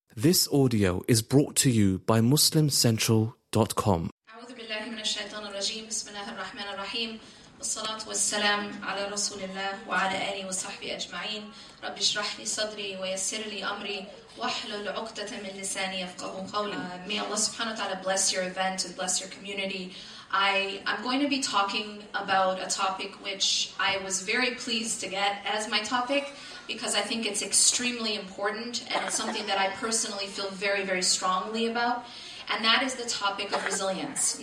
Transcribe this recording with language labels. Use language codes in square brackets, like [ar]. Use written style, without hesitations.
[en] This audio is brought to you by MuslimCentral.com. [ar] أعوذ بالله من الشيطان الرجيم. بسم الله الرحمن الرحيم. والصلاة والسلام على رسول الله وعلى آله وصحبه أجمعين. رب اشرح لي صدري ويسر لي أمري واحلل عقدة من لساني يفقهوا قولي. [en] May Allah subhanahu wa ta'ala bless your event and bless your community. I'm going to be talking about a topic which I was very pleased to get as my topic, because I think it's extremely important and it's something that I personally feel very, very strongly about, and that is the topic of resilience.